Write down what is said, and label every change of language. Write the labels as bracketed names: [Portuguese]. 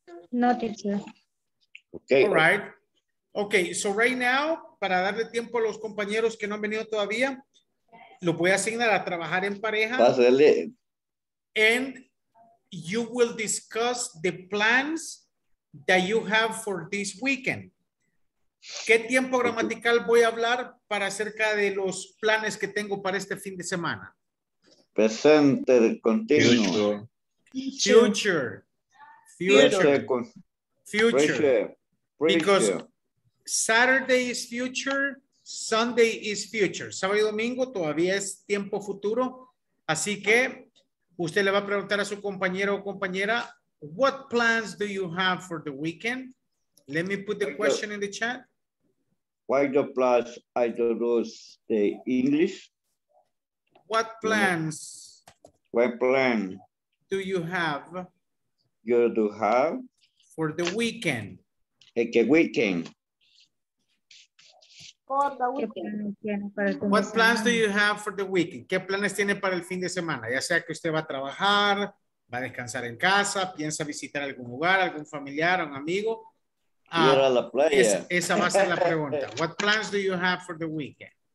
[English] No, teacher. Okay. All right. Okay, so right now, [Spanish] para darle tiempo a los compañeros que no han venido todavía, lo voy a asignar a trabajar en pareja. Pásale. [English] And you will discuss the plans that you have for this weekend. [Spanish] ¿Qué tiempo gramatical voy a hablar para acerca de los planes que tengo para este fin de semana? Presente, continuo. [English] Future. Future. Future. Future. Because Saturday is future, Sunday is future. [Spanish] Sábado y domingo todavía es tiempo futuro. Así que usted le va a preguntar a su compañero o compañera, [English] what plans do you have for the weekend? Let me put the question in the chat. Why the plus I don't know the English? What plans? What plan do you have? You do have for the weekend. Like a weekend. For the weekend. What plans do you have for the weekend? [Spanish] ¿Qué planes tiene para el fin de semana? Ya sea que usted va a trabajar, va a descansar en casa, piensa visitar algún lugar, algún familiar, un amigo. Ir a la playa. Esa va a ser la pregunta. [English] What plans do you have for the weekend?